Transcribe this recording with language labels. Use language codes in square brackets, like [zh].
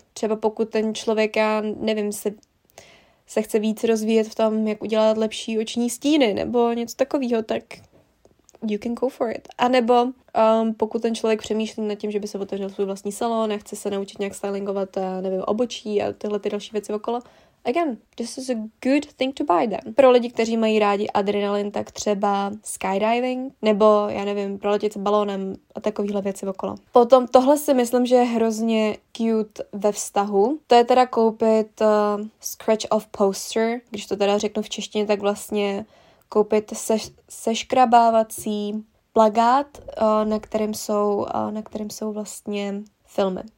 [cs] Třeba pokud ten člověk, já nevím, se chce víc rozvíjet v tom, jak udělat lepší oční stíny nebo něco takového, tak [en] you can go for it. [cs] A nebo pokud ten člověk přemýšlí nad tím, že by se otevřel svůj vlastní salon a chce se naučit nějak stylingovat, nevím, obočí a tyhle ty další věci okolo. [en] Again, this is a good thing to buy them. [cs] Pro lidi, kteří mají rádi adrenalin, tak třeba skydiving, nebo já nevím, proletět s balónem a takovýhle věci okolo. Potom tohle si myslím, že je hrozně cute ve vztahu. To je teda koupit scratch off poster, když to teda řeknu v češtině, tak vlastně koupit seškrabávací plakát, na kterém jsou vlastně filmy.